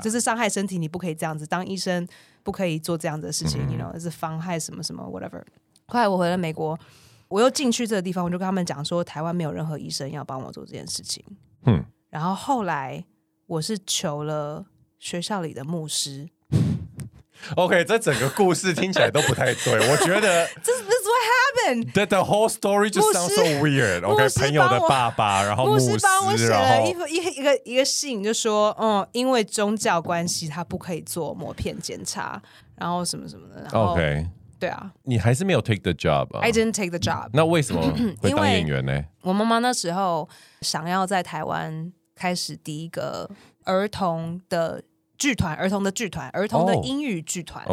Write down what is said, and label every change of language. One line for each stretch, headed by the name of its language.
Chinese: 这是伤害身体你不可以这样子当医生不可以做这样的事情、嗯、you know 是妨害什么什么 whatever 后来我回了美国我又进去这个地方我就跟他们讲说台湾没有任何医生要帮我做这件事情哼然后后来我是求了学校里的牧师 OK 这整个故事听起来都不太对我觉得
English: This what happened that the whole story just sounds so weird OK
Chinese: 朋友的爸爸然后牧师帮我写了一个信就说、嗯、因为宗教关系他不可以做抹片检查然后什么什么的然后 OK 对啊你还是没有
English: take the job、
Chinese: 啊、
English: I didn't take the job
Chinese: 那为什么会当演员呢我妈妈那时候想要在台湾开始第一个儿童的剧团儿童的英语剧团、